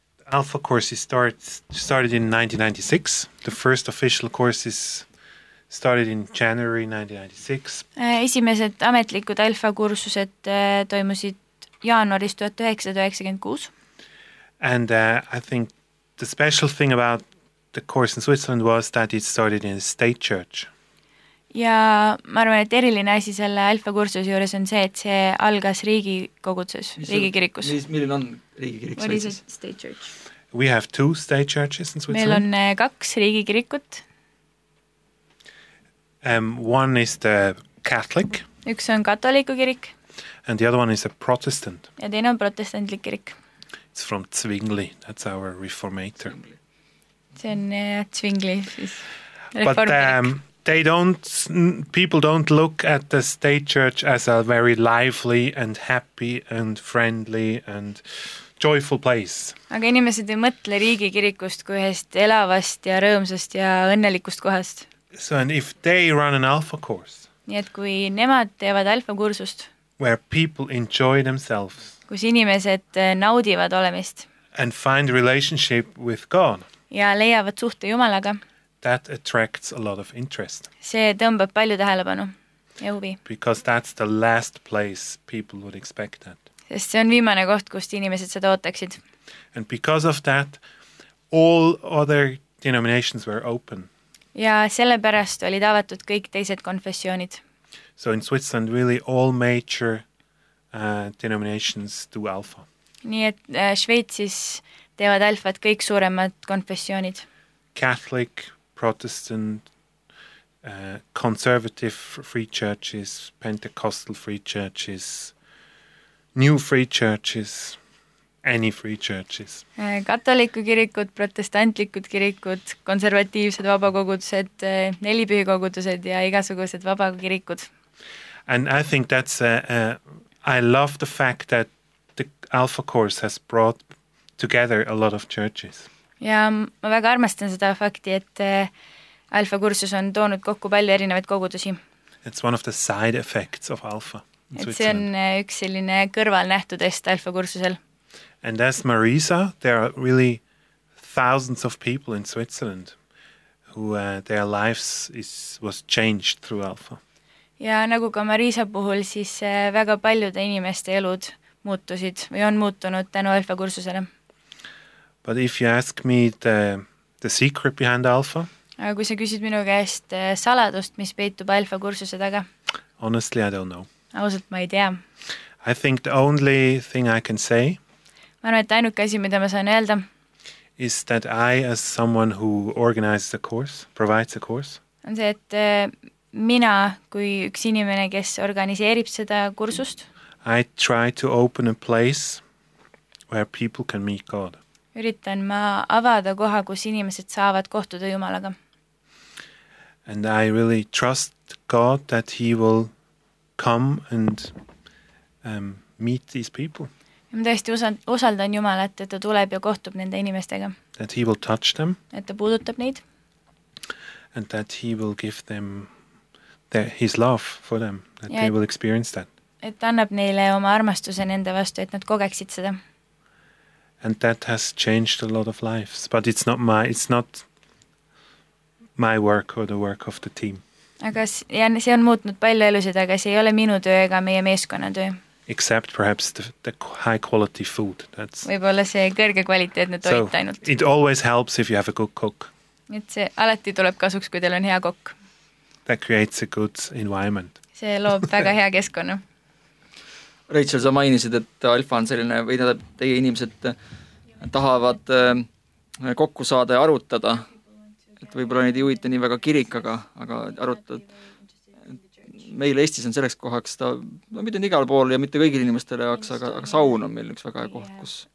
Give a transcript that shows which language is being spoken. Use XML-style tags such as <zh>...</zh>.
<en>Alpha courses started in 1996. The first official courses started in January 1996.</en> <et>Esimesed ametlikud alfa kursused toimusid jaanuaris 1996.</et> <en>And I think the special thing about the course in Switzerland was that it started in a state church.</en> <et>Ja ma arvan, et eriline asi selle alfa kursuse juures on see, et see algas riigikoguduses, riigikirikus. Milline on riigikirik?</et> <en>What is a state church? We have two state churches in Switzerland.</en> <et>Meil on kaks riigikirikut.</et> <en>One is the Catholic.</en> <et>Üks on katoliku kirik.</et> <en>And the other one is a Protestant.</en> <et>Ja teine on protestantlik kirik.</et> <en>It's from Zwingli, that's our reformator.</en> <et>See on Zwingli, siis reformkirik. But</et> <en>they don't, people don't look at the state church as a very lively and happy and friendly and joyful place.</en> <et>Aga inimesed ei mõtle riigikirikust kui hästi elavast ja rõõmsast ja õnnelikust kohast.</et> <en>So and if they run an alpha course.</en> <et>Nii et kui nemad teevad alfa kursust.</et> <en>Where people enjoy themselves.</en> <et>Kus inimesed naudivad olemist.</et> <en>And find a relationship with God.</en> <et>Ja leiavad suhte Jumalaga.</et> <en>That attracts a lot of interest.</en> <et>See tõmbab palju tähelepanu ja huvi.</et> <en>Because that's the last place people would expect that.</en> <et>Sest see on viimane koht, kust inimesed seda ootaksid.</et> <en>And because of that, all other denominations were open.</en> <et>Ja selle pärast olid avatud kõik teised konfessioonid.</et> <en>So in Switzerland, really all major denominations do alpha.</en> <et>Nii et Šveitsis teevad alfad kõik suuremad konfessioonid.</et> <en>Catholic, Protestant, conservative free churches, Pentecostal free churches, new free churches, any free churches.</en> <et>Katoliku kirikud, protestantlikud kirikud, konservatiivsed vabakogudused, nelipühikogudused ja igasugused vabakirikud.</et> <en>And I think that's I love the fact that the Alpha course has brought together a lot of churches.</en> <et>Ja ma väga armastan seda fakti, et Alpha kursus on toonud kokku palju erinevaid kogudusi.</et> <en>It's one of the side effects of Alpha.</en> <et>Et see on üks selline kõrval nähtudest Alpha kursusel.</et> <en>And as Marisa, there are really thousands of people in Switzerland who their lives was changed through Alpha.</en> <et>Ja nagu ka Marisa puhul, siis väga paljude inimeste elud muutusid või on muutunud tänu Alpha kursusele.</et> <en>But if you ask me the secret behind Alpha,</en> <et>aga kui sa küsid minu käest saladust, mis peitub Alpha kursuse taga,</et> <en>honestly, I don't know.</en> <et>Ausalt ma ei tea.</et> <en>I think the only thing I can say,</en> <et>ma arvan, et ainuke asi, mida ma saan öelda,</et> <en>is that I, as someone who organizes a course, provides a course,</en> <et>on see, et mina, kui üks inimene, kes organiseerib seda kursust,</et> <en>I try to open a place where people can meet God.</en> <et>Üritan ma avada koha, kus inimesed saavad kohtuda Jumalaga.</et> <en>And I really trust God that he will come and meet these people.</en> <et>Ja ma tõesti usaldan Jumalat, et ta tuleb ja kohtub nende inimestega.</et> <en>That he will touch them.</en> <et>Et ta puudutab neid.</et> <en>And that he will give them his love for them, that ja they will experience that.</en> <et>Et ta annab neile oma armastuse nende vastu, et nad kogeksid seda.</et> <en>And that has changed a lot of lives, but it's not my work or the work of the team.</en> <et>Aga ja see on muutnud palju elusid, aga see ei ole minu töö ega meie meeskonna töö.</et> <en>Except perhaps the high quality food. That's</en> <et>võib-olla see kõrge kvaliteetne toit ainult.</et> <en>It always helps if you have a good cook.</en> <et>Et see alati tuleb kasuks, kui teil on hea kokk.</et> <en>That creates a good environment.</en> <et>See loob väga hea keskkonna. Rachel, sa mainisid, et Alfa on selline, või teie inimesed tahavad kokku saada ja arutada. Et võib-olla neid ei huvita nii väga kirikaga, aga arutad. Meil Eestis on selleks kohaks, ta, no mitte igal pool ja mitte kõigil inimestele jaoks, aga saun on meil üks väga hea koht, kus...</et>